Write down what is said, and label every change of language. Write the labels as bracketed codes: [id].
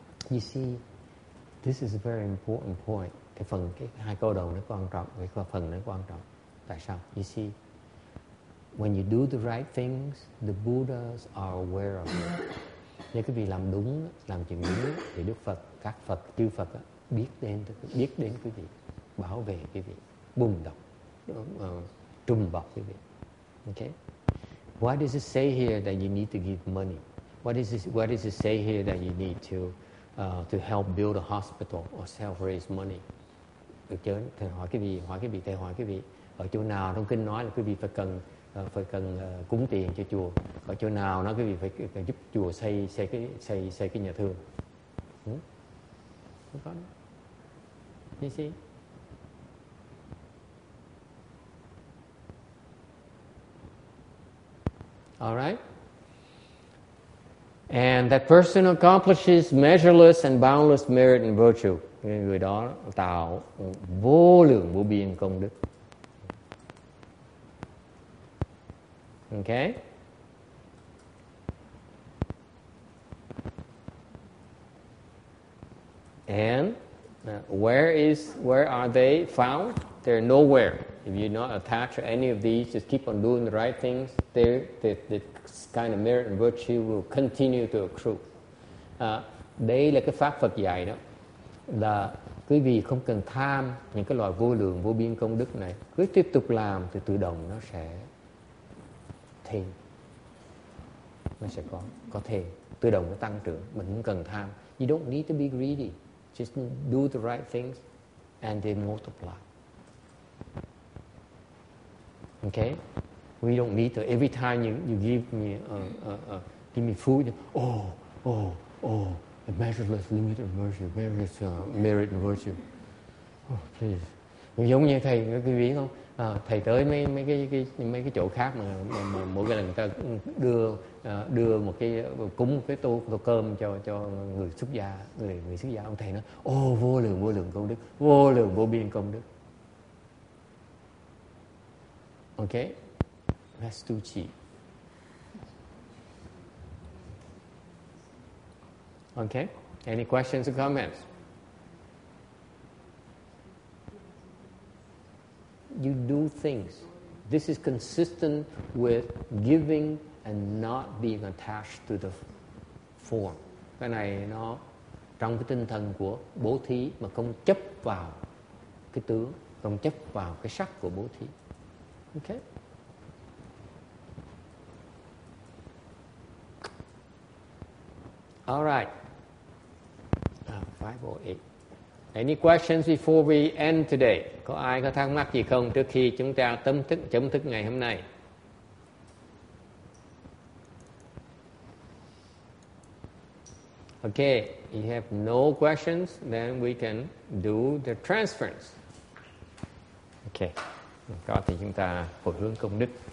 [en] You see, this is a very important point. [vi] Cái phần cái hai câu đầu nó quan trọng, cái phần nó quan trọng. Tại sao? [en] You see, when you do the right things, the Buddhas are aware of it. [vi] Nếu quý vị làm đúng, làm chuyện đúng thì Đức Phật, các Phật, chư Phật đó, biết đến quý vị, bảo vệ quý vị, bùng động, trùm bọc quý vị. [en] Okay. Why does it say here that you need to give money? Why does it say here that you need to help build a hospital or self raise money? [vi] Được chưa? Thầy hỏi cái gì? Thầy hỏi cái gì? Ở chỗ nào trong kinh nói là quý vị phải cần cúng tiền cho chùa? Ở chỗ nào nói quý vị phải giúp chùa xây cái nhà thương? Không có. [en] You see? All right. And that person accomplishes measureless and boundless merit and virtue. [vi] Người đó tạo vô lượng vô biên công đức. [en] Okay. And where are they found? They're nowhere. If you're not attached to any of these, just keep on doing the right things, the kind of merit and virtue will continue to accrue. [vi] Đây là cái pháp Phật dạy đó, là quý vị không cần tham những cái loại vô lượng, vô biên công đức này. Cứ tiếp tục làm thì tự động nó sẽ thêm. Nó sẽ có thêm, tự động nó tăng trưởng. Mình không cần tham. [en] You don't need to be greedy. Just do the right things and they multiply. Okay, we don't need to. Every time you give me food, a measureless limit of virtue, measureless merit and virtue. Oh, please. [vi] Giống như thầy, quý vị không? Thầy tới mấy cái chỗ khác mà mỗi cái lần người ta đưa một cái cúng cái tô cơm cho người xuất gia, người xuất gia, ông thầy nói, vô lượng công đức, vô lượng vô biên công đức. [en] Okay, that's too cheap. Okay, any questions or comments? You do things. This is consistent with giving and not being attached to the form. [vi] Cái này nó trong cái tinh thần của bố thí mà không chấp vào cái tướng, không chấp vào cái sắc của bố thí. [en] Okay. All right. 508. Any questions before we end today? [vi] Có ai có thắc mắc gì không trước khi chúng ta chấm thức ngày hôm nay? [en] Okay. If you have no questions, then we can do the transference. Okay. [vi] Có thì chúng ta hồi hướng công đức.